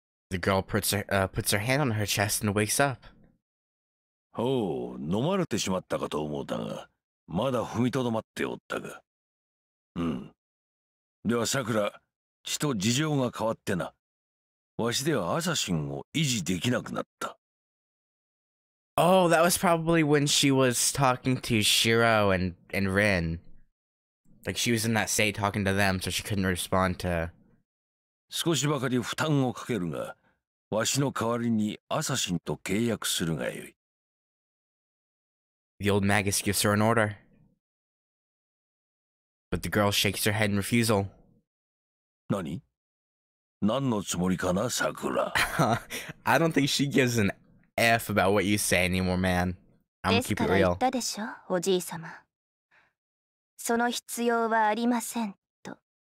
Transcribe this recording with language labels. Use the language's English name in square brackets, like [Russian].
[English] The girl puts her hand on her chest and wakes up. [Japanese] Oh, 飲まれてしまったかと思ったが、まだ踏みとどまっておったが。では、さくら、血と事情が変わってな。わしではアサシンを維持できなくなった。 [English] Oh, that was probably when she was talking to Shiro and Rin. Like, she was in that state talking to them, so she couldn't respond to... [Japanese] 少しばかり負担をかけるが、わしの代わりにアサシンと契約するがよい。 [English] The old Magus gives her an order. But the girl shakes her head in refusal. [Japanese] 何？何のつもりかな、さくら。 [English] I don't think she gives an F about what you say anymore, man. I'm gonna keep it real. [Japanese] ですから言ったでしょ、おじい様。その必要はありませんと。